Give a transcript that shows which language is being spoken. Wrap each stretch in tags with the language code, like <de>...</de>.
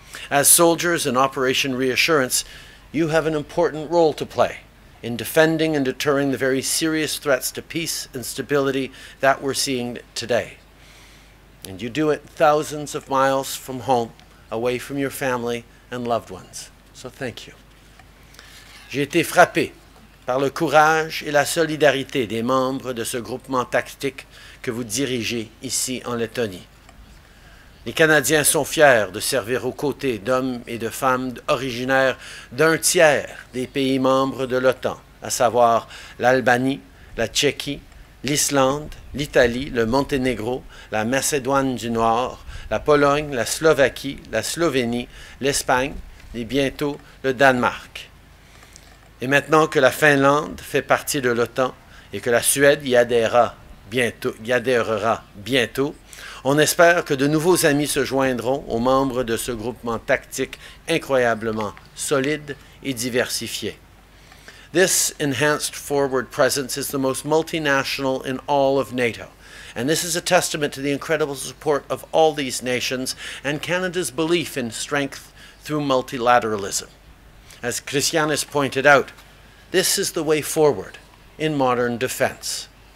<en>As soldiers in Operation Reassurance, you have an important role to play in defending and deterring the very serious threats to peace and stability that we're seeing today. And you do it thousands of miles from home, away from your family and loved ones. So thank you.</en> <fr>J'ai été frappé par le courage et la solidarité des membres de ce groupement tactique que vous dirigez ici en Lettonie. Les Canadiens sont fiers de servir aux côtés d'hommes et de femmes originaires d'un tiers des pays membres de l'OTAN, à savoir l'Albanie, la Tchéquie, l'Islande, l'Italie, le Monténégro, la Macédoine du Nord, la Pologne, la Slovaquie, la Slovénie, l'Espagne et bientôt le Danemark. Et maintenant que la Finlande fait partie de l'OTAN et que la Suède y adhérera bientôt, on espère que de nouveaux amis se joindront aux membres de ce groupement tactique incroyablement solide et diversifié.</fr> <en>This enhanced forward presence is the most multinational in all of NATO, and this is a testament to the incredible support of all these nations and Canada's belief in strength through multilateralism. As Christian has pointed out, this is the way forward in modern defense.</en>